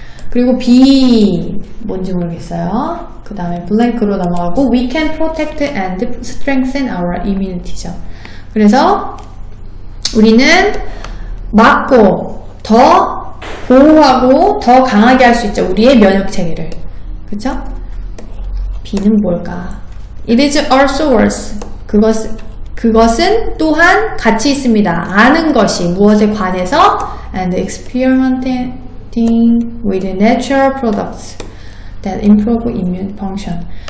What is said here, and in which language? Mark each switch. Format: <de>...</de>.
<ko>그리고 B, 뭔지 모르겠어요. 그 다음에 블랭크로 넘어가고,</ko> <en>We can protect and strengthen our immunity죠.</en> <ko>그래서 우리는 막고 더 보호하고 더 강하게 할 수 있죠. 우리의 면역체계를. 그쵸? B는 뭘까?</ko> <en>It is also worth.</en> <ko>그것은 또한 가치 있습니다. 아는 것이 무엇에 관해서?</ko> <en>And experimenting. with natural products that improve immune function.</en>